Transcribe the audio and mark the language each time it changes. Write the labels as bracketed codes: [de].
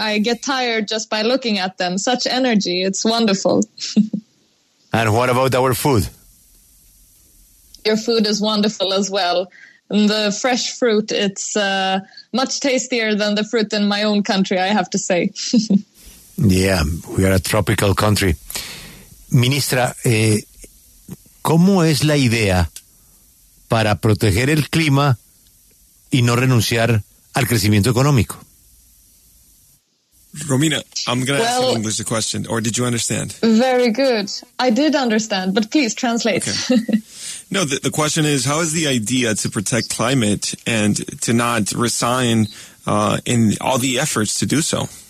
[en] I get tired just by looking at them. Such energy. It's wonderful. And what about our food? Your food is wonderful as well. And the fresh fruit, it's much tastier than the fruit in my own country, I have to say. Yeah, we are a tropical country. [es] Ministra, ¿cómo es la idea para proteger el clima y no renunciar al crecimiento económico? [en] Romina, I'm going to ask an English question, or did you understand? Very good. I did understand, but please translate. Okay. No, the question is, how is the idea to protect climate and to not resign in all the efforts to do so?